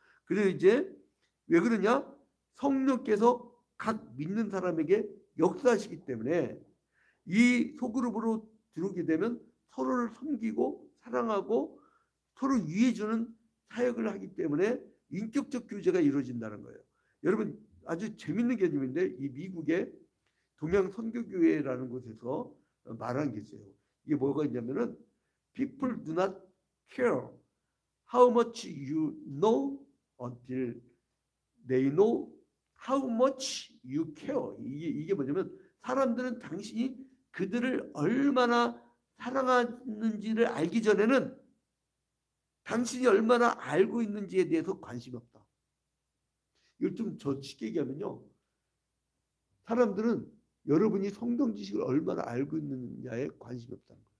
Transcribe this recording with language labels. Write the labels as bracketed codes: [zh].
[ko] 그래서 이제 왜 그러냐? 성령께서 각 믿는 사람에게 역사하시기 때문에 이 소그룹으로 들어오게 되면 서로를 섬기고 사랑하고 서로 위해주는 사역을 하기 때문에 인격적 교제가 이루어진다는 거예요. 여러분 아주 재밌는 개념인데 이 미국의 동양선교교회라는 곳에서 말한 게 있어요. 이게 뭐가 있냐면은 [en] People do not care how much you know until they know how much you care. [ko] 이게 뭐냐면 사람들은 당신이 그들을 얼마나 사랑하는지를 알기 전에는 당신이 얼마나 알고 있는지에 대해서 관심이 없다. 이걸 좀 더 쉽게 얘기하면요. 사람들은 여러분이 성경 지식을 얼마나 알고 있느냐에 관심이 없다.